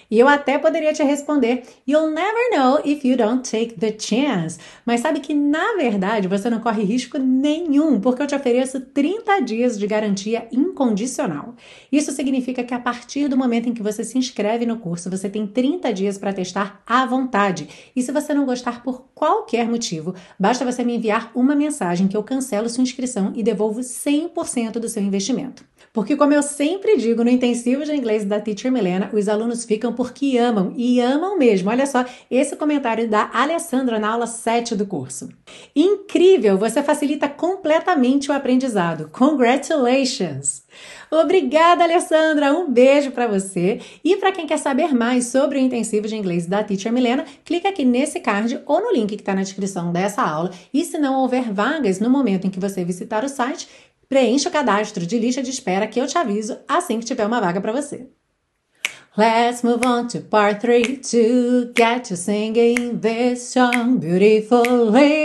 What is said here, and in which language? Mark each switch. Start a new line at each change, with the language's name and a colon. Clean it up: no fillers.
Portuguese: E eu até poderia te responder:
English: you'll never know if you don't take the chance.
Portuguese: Mas sabe que na verdade você não corre risco nenhum, porque eu te ofereço 30 dias de garantia incondicional. Isso significa que a partir do momento em que você se inscreve no curso, você tem 30 dias para testar à vontade. E se você não gostar por qualquer motivo, basta você me enviar uma mensagem que eu cancelo sua inscrição e devolvo 100% do seu investimento. Porque, como eu sempre digo no intensivo de inglês da Teacher Milena, os alunos ficam porque amam e amam mesmo. Olha só esse comentário da Alessandra na aula 7 do curso. Incrível! Você facilita completamente o aprendizado. Congratulations! Obrigada, Alessandra! Um beijo para você! E para quem quer saber mais sobre o intensivo de inglês da Teacher Milena, clica aqui nesse card ou no link que está na descrição dessa aula. E se não houver vagas no momento em que você visitar o site, preencha o cadastro de lista de espera que eu te aviso assim que tiver uma vaga para você.
English: Let's move on to part 3 to get you singing this song beautifully.